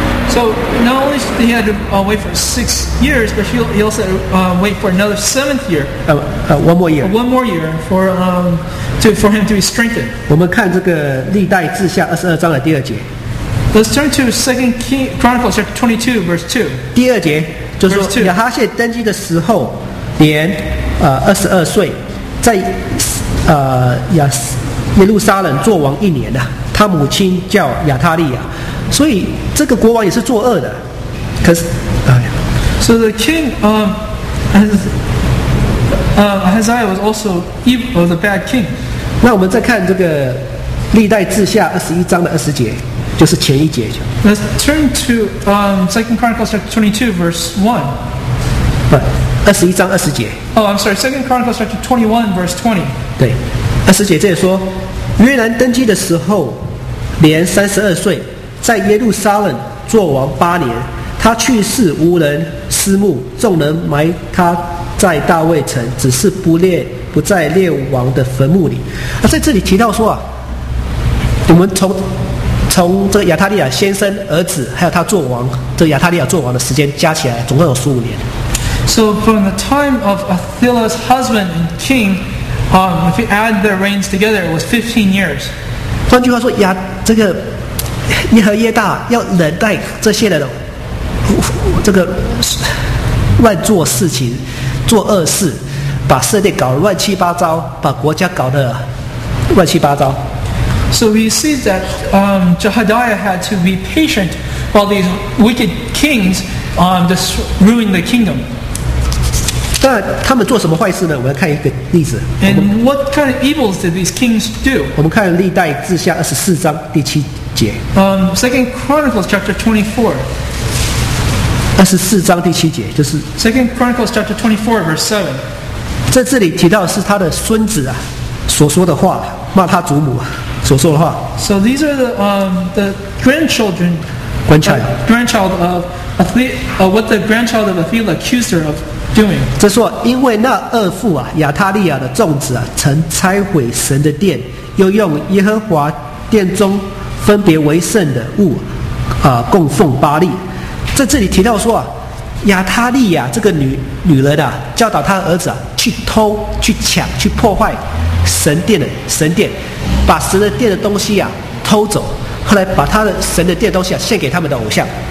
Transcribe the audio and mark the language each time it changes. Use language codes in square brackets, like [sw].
[en] So not only did he have to wait for 6 years, but he also wait for another 7th year. One more year. One more year for him to be strengthened. [zh] 我们看这个历代志下22章的第二节。 [en] Let's turn to Second Chronicles chapter 22, verse 2. [zh] 第二节就是说亚哈谢登基的时候，年22岁，在耶路撒冷做王一年呐、啊。他母亲叫亚他利亚，所以这个国王也是作恶的。可是，哎呀 [en] ，So the king, Ahaziah was also evil, was a bad king. [zh] 那我们再看这个历代志下21章的20节，就是前一节。 [en] Let's turn to Second Chronicles chapter 22, verse 1. [zh] 不，21章20节。 [en] Oh, I'm sorry. Second Chronicles chapter 21, verse 20. [zh] 对，二十节这里说。约兰登基的时候，年32岁，在耶路撒冷作王8年。他去世无人私墓，众人埋他在大卫城，只是不在列王的坟墓里。啊，在这里提到说啊，我们从这个亚他利亚先生儿子，还有他作王，这个、亚他利亚作王的时间加起来，总共有15年。 [en] So from the time of Athaliah's husband and king. If you add their reigns together, it was 15 years. [zh] 换句话说，这个耶和耶大要忍耐这些人，这个乱做事情、做恶事，把色列搞乱七八糟，把国家搞得乱七八糟。 [en] So we see that Jehoiada had to be patient while these wicked kings just ruined the kingdom. [zh] 那他们做什么坏事呢？我们看一个例子。 [en] And what kind of evils did these kings do? [zh] 我们看历代志下24章第7节。 [en] Second Chronicles chapter 24. [zh] 24章第7节就是。 [en] Second Chronicles chapter 24 verse 7. [zh] 在这里提到是他的孙子啊所说的话，骂他祖母所说的话。 [en] So these are the grandchildren. Grandchild of Athaliah, what the grandchild of Athaliah accused her of. doing. [zh] 这说，因为那恶妇啊，亚他利亚的众子啊，曾拆毁神的殿，又用耶和华殿中分别为圣的物，供奉巴利。在这里提到说啊，亚他利亚这个女人啊，教导他儿子啊，去偷、去抢、去破坏神殿，把神的殿的东西啊偷走，后来把他的神的殿的东西啊献给他们的偶像。